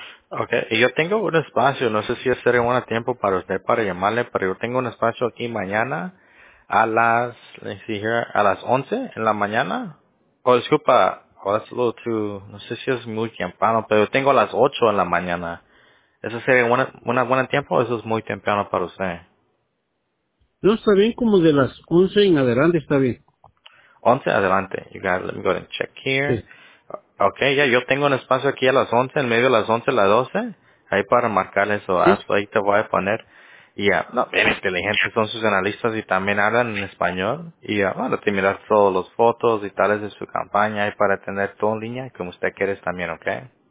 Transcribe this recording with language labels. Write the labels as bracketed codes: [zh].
[es] Okay, y yo tengo un espacio, no sé si será un buen tiempo para usted para llamarle, pero yo tengo un espacio aquí mañana a las, [en] let's see here, [es] a las 11 en la mañana. Oh, disculpa, [en] oh, that's a little too, [es] no sé si es muy temprano, pero yo tengo a las 8 en la mañana. ¿Eso sería una buena tiempo o eso es muy temprano para usted? No, está bien, como de las 11 en adelante está bien. 11 adelante, [en] you got, let me go ahead and check here. [es] Sí. Okay, ya yo tengo un espacio aquí a las 11, en medio de las 11, a las 12, ahí para marcar eso, sí. Ahí te voy a poner, y ya, no, bien inteligentes son sus analistas y también hablan en español, y ya, bueno, te miras todos los fotos y tales de su campaña, ahí para tener todo en línea, como usted quiere también, okay.